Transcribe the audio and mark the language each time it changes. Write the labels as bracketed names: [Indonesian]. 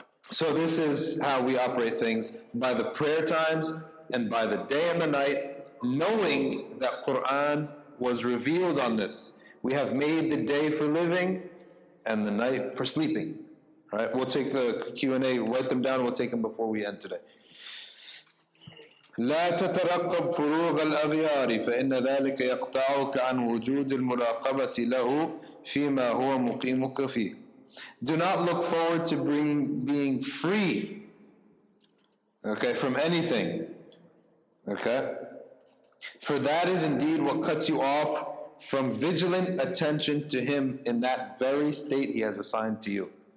[English] So this is how we operate things, by the prayer times and by the day and the night, knowing that Quran was revealed on this. We have made the day for living and the night for sleeping. All right, we'll take the Q&A, write them down, we'll take them before we end today. [Arabic] لا تترقب فروغ الأغيار فإن ذلك يقطعك عن وجود المراقبة له فيما هو مقيمك فيه. [English] Do not look forward to being free, okay, from anything, okay? For that is indeed what cuts you off from vigilant attention to him in that very state he has assigned to you.